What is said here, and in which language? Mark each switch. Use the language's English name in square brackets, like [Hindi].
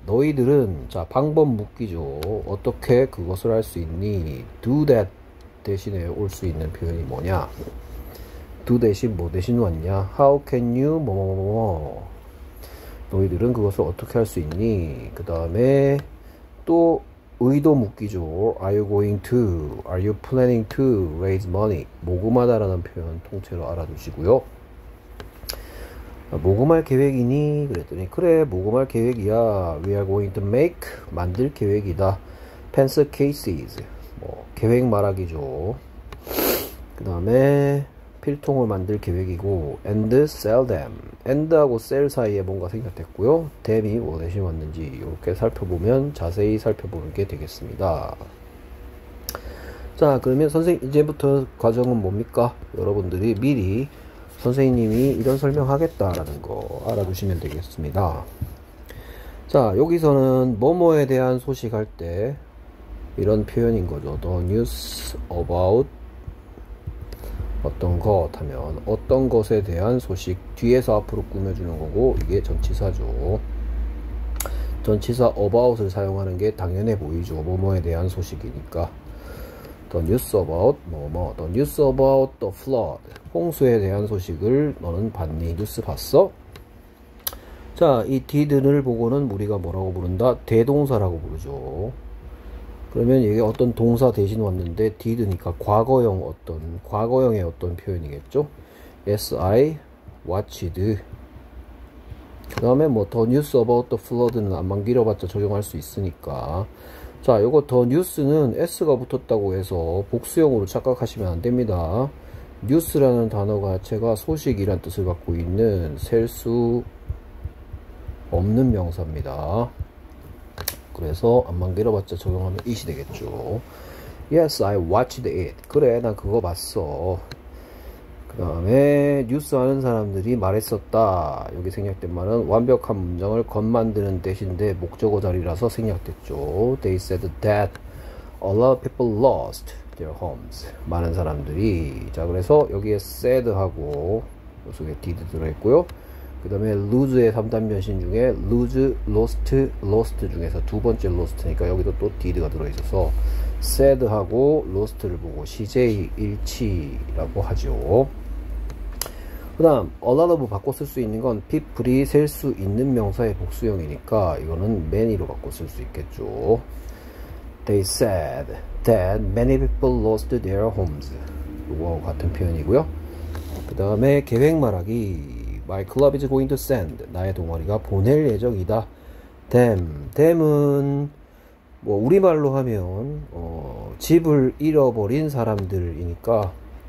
[Korean] 너희들은, 자, 방법 묻기죠. 어떻게 그것을 할수 있니? do that 대신에 올수 있는 표현이 뭐냐? do 대신 뭐 대신 왔냐? [English] how can you, 뭐뭐뭐뭐. [Korean] 너희들은 그것을 어떻게 할수 있니? 그 다음에 또 의도 묻기죠. [English] are you going to, are you planning to raise money? [Korean] 모금하다라는 표현 통째로 알아두시고요. 모금할 계획이니? 그랬더니 그래, 모금할 계획이야. [English] We are going to make [Korean] 만들 계획이다. [English] Pencil cases. [Korean] 뭐 계획 말하기죠. 그다음에 필통을 만들 계획이고 [English] and sell them. [Korean] and하고 sell 사이에 뭔가 생략됐고요. them이 뭐 대신 왔는지 이렇게 살펴보면 자세히 살펴보는 게 되겠습니다. 자, 그러면 선생님 이제부터 과정은 뭡니까? 여러분들이 미리 선생님이 이런 설명하겠다라는 거 알아두시면 되겠습니다. 자, 여기서는 뭐뭐에 대한 소식할 때 이런 표현인 거죠. [English] The news about [Korean] 어떤 것 하면 어떤 것에 대한 소식 뒤에서 앞으로 꾸며주는 거고 이게 전치사죠. 전치사 about을 사용하는 게 당연해 보이죠. 뭐뭐에 대한 소식이니까. [English] The news about 뭐뭐, the news about the flood. [Korean] 홍수에 대한 소식을 너는 봤니? 뉴스 봤어? 자, 이 did를 보고는 우리가 뭐라고 부른다? 대동사라고 부르죠. 그러면 이게 어떤 동사 대신 왔는데 did니까 과거형 어떤 과거형의 어떤 표현이겠죠? [English] Yes, I watched. [Korean] 그 다음에 뭐 [English] the news about the flood [Korean] 는 안만 길어봤자 적용할 수 있으니까. 자, 요거 더 뉴스는 S가 붙었다고 해서 복수형으로 착각하시면 안 됩니다. 뉴스라는 단어가 자체가 소식이란 뜻을 갖고 있는 셀수 없는 명사입니다. 그래서 안만 길어봤자 적용하면 it이 되겠죠. [English] Yes, I watched it. [Korean] 그래, 난 그거 봤어. 그 다음에 뉴스 하는 사람들이 말했었다. 여기 생략된 말은 완벽한 문장을 겉 만드는 뜻인데 목적어 자리라서 생략됐죠. [English] They said that a lot of people lost their homes. [Korean] 많은 사람들이. 자, 그래서 여기에 said 하고 여기에 did 들어있고요. 그 다음에 lose의 3단변신 중에 lose, lost 중에서 두 번째 lost니까 여기도 또 did가 들어있어서 said 하고 lost를 보고 시제 일치라고 하죠. 그다음 a lot of 바꿔 쓸수 있는 건 people이 셀수 있는 명사의 복수형이니까 이거는 many로 바꿔 쓸수 있겠죠. [English] They said that many people lost their homes. [Korean] 이거와 같은 표현이고요. 그다음에 계획 말하기. [English] My club is going to send. [Korean] 나의 동아리가 보낼 예정이다. Them은 뭐 우리말로 하면 집을 잃어버린 사람들이니까.